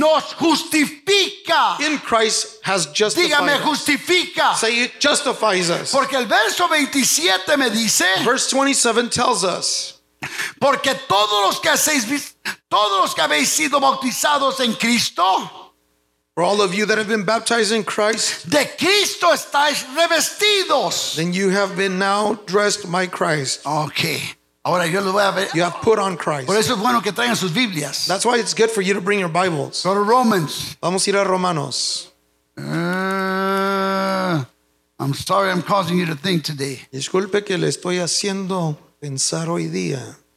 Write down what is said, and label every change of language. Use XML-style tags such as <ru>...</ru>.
<es>nos justifica.</es> <en>In Christ has justified</en> <es>dígame,</es> <en>us.</en> <es>Dígame, justifica.</es> <en>Say it justifies us.</en> <es>Porque el verso 27 me dice,</es> <en>verse 27 tells us,</en> <es>porque todos los que habéis sido bautizados en Cristo,</es> <en>for all of you that have been baptized in Christ,</en> <es>de Cristo estáis revestidos.</es> <en>Then you have been now dressed by Christ.</en> <es>Okay. Ahora yo lo voy a ver.</es> <en>You have put on Christ.</en> <es>Por eso es bueno que traigan sus Biblias.</es> <en>That's why it's good for you to bring your Bibles. Go to Romans.</en> <es>Vamos a ir a Romanos.</es> <en>I'm sorry I'm causing you to think today.</en> <es>Disculpe que le estoy haciendo pensar hoy día.</es>